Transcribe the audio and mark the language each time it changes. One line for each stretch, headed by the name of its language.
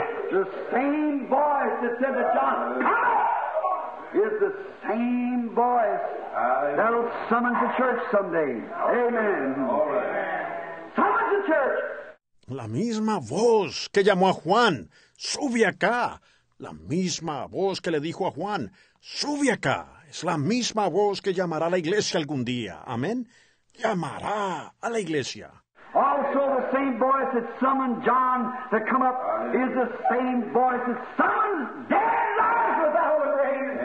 English: The same voice that said to John, come, is the same voice that'll summon the church someday. Amen. Summon the church.
Spanish: La misma voz que llamó a Juan, sube acá. La misma voz que le dijo a Juan, sube acá. Es la misma voz que llamará a la iglesia algún día. Amén. Llamará a la iglesia.
English: Also, the same voice that summoned John to come up is the same voice that summoned dead Lazarus out of the grave.